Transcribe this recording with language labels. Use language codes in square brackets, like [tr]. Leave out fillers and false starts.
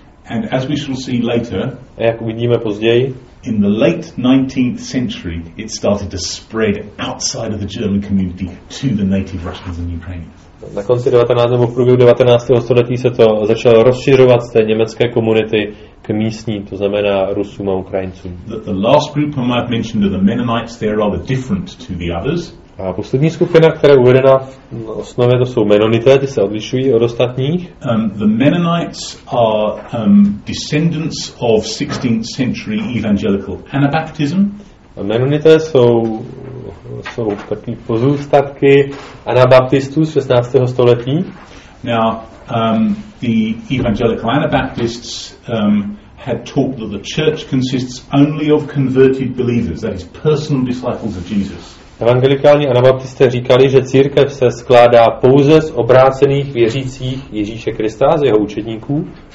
[en] And as we shall see later, [cs] a jak uvidíme později, [en] in the late 19th century, it started to spread outside of the German community to the native Russians and Ukrainians. [cs] Na konci 19. nebo v průběhu 19. století se to začalo rozšiřovat z té německé komunity k místním, to znamená Rusům a Ukrajincům. [en] The last group I might mention are the Mennonites. They are rather different to the others. [cs] A poslední skupina, která je uvedena v osnově, to jsou Menonité, ty se odlišují od ostatních. [en] The Mennonites are descendants of 16th century evangelical Anabaptism. [cs] A Menonité jsou takový pozůstatky Anabaptistů z 16. století. [en] Now, the evangelical Anabaptists had taught that the church consists only of converted believers, that is, personal disciples of Jesus. [cs] Evangelikální anabaptisté říkali, že církev se skládá pouze z obrácených věřících Ježíše Krista, z jeho učedníků.